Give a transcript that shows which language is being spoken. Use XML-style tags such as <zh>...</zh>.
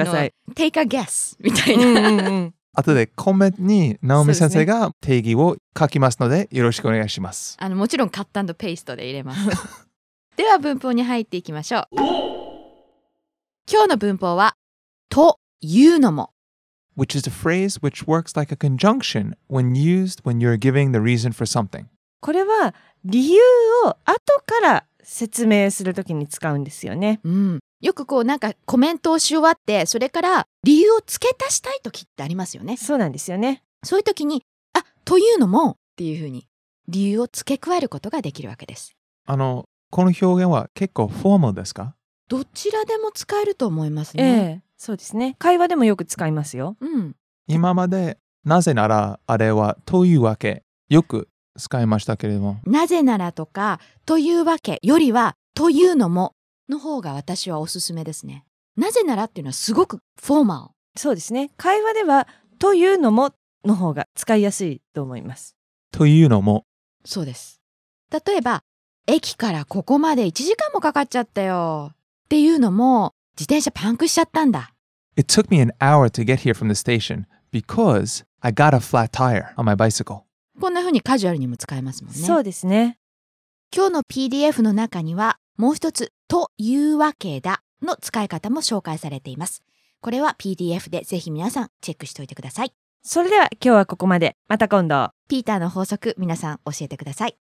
<ja>あとは、take a guess みたいな。うんうんうん。あとで、コメントに、ナオミ先生が定義を書きますので、よろしくお願いします。もちろん、カット&ペーストで入れます。では、文法に入っていきましょう。今日の文法は、というのも。</ja> <en>Which is a phrase which works like a conjunction when used when you're giving the reason for something.</en> <ja>これは、理由を後から説明するときに使うんですよね。うん、よくこうなんかコメントをし終わって、それから理由を付け足したいときってありますよね。そうなんですよね。そういうときに、あ、というのもっていうふうに理由を付け加えることができるわけです。この表現は結構フォーマルですか？どちらでも使えると思いますね。そうですね。会話でもよく使いますよ。うん。今までなぜならあれはというわけよく使いましたけれども、なぜならとかというわけよりはというのもの方が私はおすすめですね。なぜならっていうのはすごくフォーマル。そうですね。会話ではというのもの方が使いやすいと思います。というのも、そうです。例えば、駅からここまで1時間もかかっちゃったよっていうのも、自転車パンクしちゃったんだ。</ja> <en>It took me an hour to get here from the station because I got a flat tire on my bicycle.</en> <ja>こんな風にカジュアルにも使えますもんね。そうですね。今日の PDF の中にはもう一つ、というわけだの使い方も紹介されています。これは PDF でぜひ皆さんチェックしておいてください。それでは今日はここまで。また今度、ピーターの法則、皆さん教えてください。</ja>